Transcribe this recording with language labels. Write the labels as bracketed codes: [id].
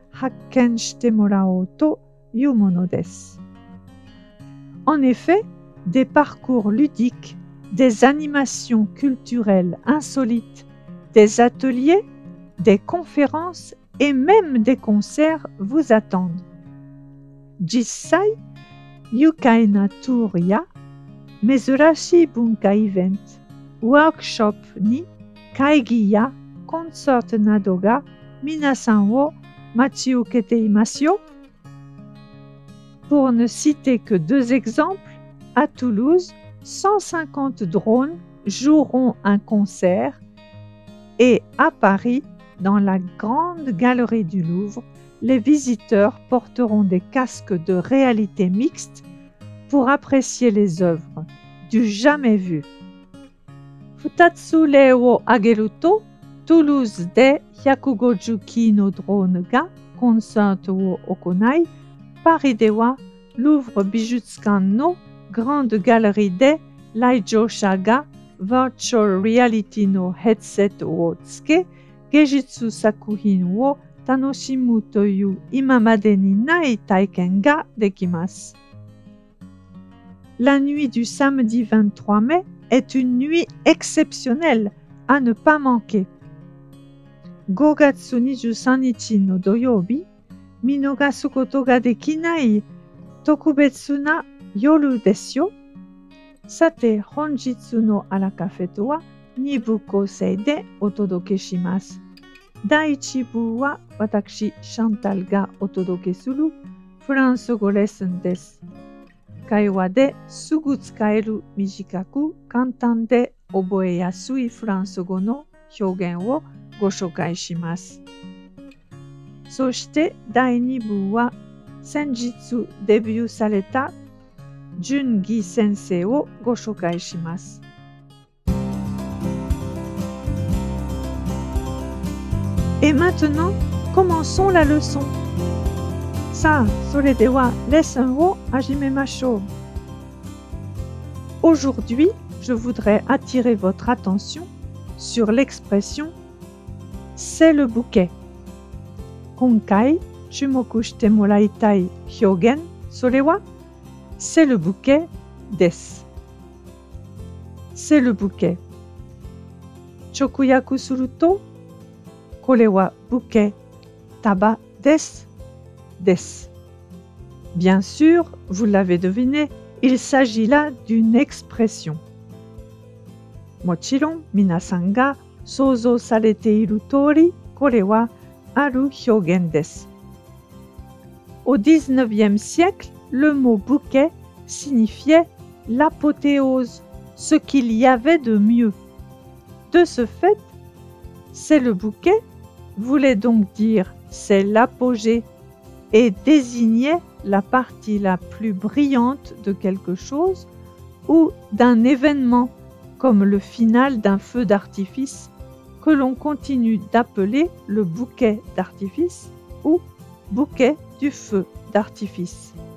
[ja] 発見してもらおうというものです。 [fr] En effet, des parcours ludiques, des animations culturelles insolites, des ateliers, des conférences et même des concerts vous attendent. [ja] 実際、愉快なツアーや珍しい文化イベント、ワークショップに会議やコンサートなどが皆さんを待ち受けていますよ。 [fr] Pour ne citer que deux exemples, à Toulouse, 150 drones joueront un concert et à Paris, dans la grande galerie du Louvre, les visiteurs porteront des casques de réalité mixte pour apprécier les œuvres du jamais vu. [ja] 2つ例を挙げると、トゥルーズで150機のドローンがコンサートを行い、パリでは、ルーヴル美術館のグランドギャラリーで来場者が、バーチャルリアリティのヘッドセットをつけ、芸術作品を楽しむという今までにない体験ができます。 [fr] La nuit du samedi 23 mai est une nuit exceptionnelle à ne pas manquer. [ja] 5月23日の土曜日、見逃すことができない特別な夜ですよ。さて、本日のアラカフェとは2部構成でお届けします。第1部は私、シャンタルがお届けするフランス語レッスンです。会話ですぐ使える短く簡単で覚えやすいフランス語の表現をご紹介します。そして第2部は先日デビューされたジュンギ先生をご紹介します。 [fr] Et maintenant, commençons la leçon. [ja] さあ、それではレッスンを始めましょう。 [fr] Aujourd'hui, je voudrais attirer votre attention sur l'expression c'est le bouquet. [ja] 今回、注目してもらいたい表現、それは [fr] c'est le bouquet [ja] です。 [fr] c'est le bouquet。 [ja] 直訳すると、これはブケ、タバです、です。 [fr] Bien sûr, vous l'avez deviné, il s'agit là d'une expression. [ja] もちろん、皆さんが想像されている通り、これはある表現です。 [fr] Au 19e siècle, le mot bouquet signifiait l'apothéose, ce qu'il y avait de mieux. De ce fait, c'est le bouquet voulait donc dire c'est l'apogée et désignait la partie la plus brillante de quelque chose ou d'un événement comme le final d'un feu d'artifice que l'on continue d'appeler le bouquet d'artifice ou bouquet du feu d'artifice.